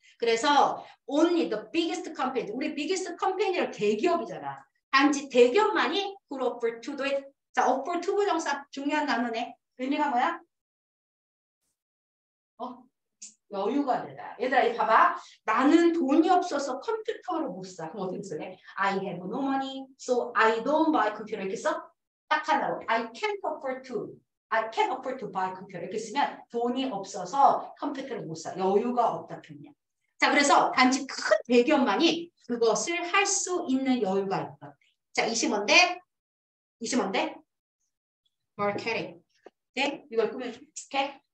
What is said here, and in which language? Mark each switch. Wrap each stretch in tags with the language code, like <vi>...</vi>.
<ko>그래서</ko> <en>only the biggest company. 우리 biggest company는</en> <ko>대기업이잖아. 단지 대기업만이</ko> <en>could offer to do it.</en> <ko>자, offer to 부정사 중요한 단어네. 의미가 뭐야? 여유가 되다. 얘들아, 이거 봐봐. 나는 돈이 없어서 컴퓨터를 못 사. 그럼 어떻게 쓰네?</ko> <en>I have no money, so I don't buy computer.</en> <ko>이렇게 써? 딱 하나로.</ko> <en>I can't afford to buy computer.</en> <ko>이렇게 쓰면 돈이 없어서 컴퓨터를 못 사. 여유가 없다 표현이야. 자, 그래서 단지 큰 대기업만이 그것을 할 수 있는 여유가 있다. 자, 이시 뭔데? Marketing. 네? 이걸 꾸며줘. 오케이?</ko>